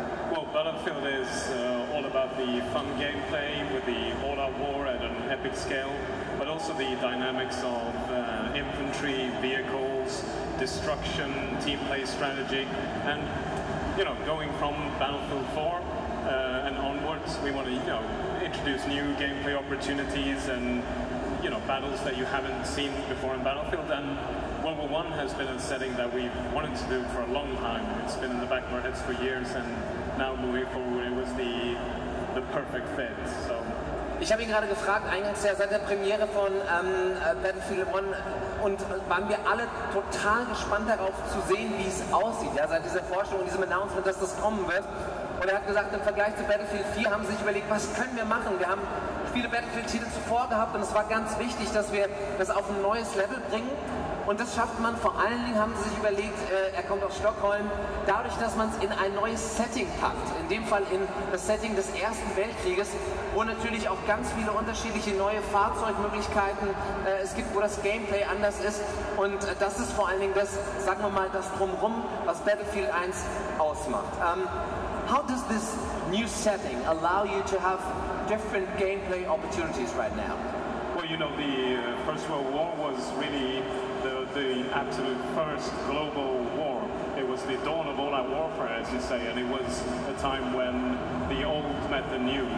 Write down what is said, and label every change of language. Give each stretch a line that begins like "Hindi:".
English: Well, Battlefield is all about the fun gameplay with the all-out war at an epic scale, but also the dynamics of infantry, vehicles, destruction, team play strategy, and, you know, going from Battlefield 4, and onwards, we want to, you know, introduce new gameplay opportunities and, you know, battles that you haven't seen before in Battlefield. And World War One has been a setting that we've wanted to do for a long time. It's been in the back of our heads for years, and now moving forward, it was the perfect fit. So.
German: Ich habe ihn gerade gefragt, eingangs ja, seit der Premiere von Battlefield 1, und waren wir alle total gespannt darauf zu sehen, wie es aussieht, ja, seit dieser Vorstellung und diesem Announcement, dass das kommen wird. Und er hat gesagt, im Vergleich zu Battlefield 4 haben sie sich überlegt, was können wir machen? Wir haben viele Battlefield-Titel zuvor gehabt und es war ganz wichtig, dass wir das auf ein neues Level bringen. Und das schafft man vor allen Dingen, haben sie sich überlegt, er kommt aus Stockholm, dadurch, dass man es in ein neues Setting packt. In dem Fall in das Setting des Ersten Weltkrieges, wo natürlich auch ganz viele unterschiedliche neue Fahrzeugmöglichkeiten es gibt, wo das Gameplay anders ist. Und das ist vor allen Dingen das, sagen wir mal, das Drumherum, was Battlefield 1 ausmacht.
English: How does this new setting allow you to have different gameplay opportunities right now? Well, you know, the First World War was really the absolute first global war. It was the dawn of all-out warfare, as you say, and it was a time when the old met the new.